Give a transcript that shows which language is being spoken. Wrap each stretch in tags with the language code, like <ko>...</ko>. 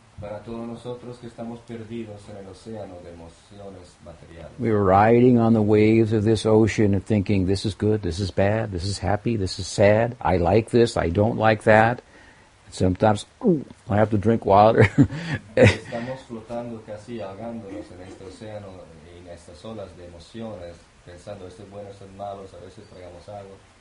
<es>Para todos nosotros que estamos perdidos en el océano de emociones materiales.</es> <en>We are riding on the waves of this ocean and thinking, this is good, this is bad, this is happy, this is sad, I like this, I don't like that. Sometimes, I have to drink water.</en> <es>Estamos flotando casi ahogándonos en este océano y en estas olas de emociones, pensando, esto es bueno, esto es malo, a veces tragamos agua.</es>